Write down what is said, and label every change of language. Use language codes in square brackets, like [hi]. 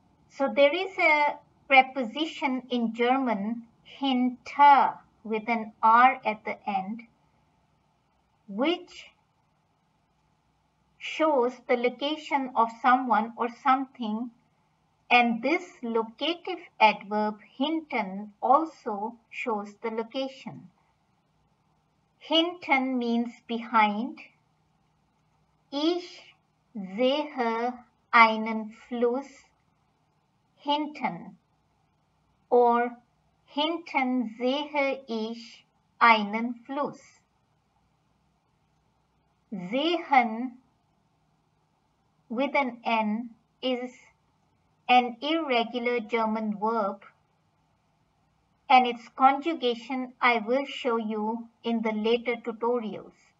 [en] So there is a preposition in German, hinter, with an R at the end, which shows the location of someone or something. And this locative adverb, hinten, also shows the location. Hinten means behind. [de] Ich sehe einen Fluss hinten, or hinten sehe ich einen Fluss. [en] Sehen with an N is an irregular German verb, and its conjugation I will show you in the later tutorials.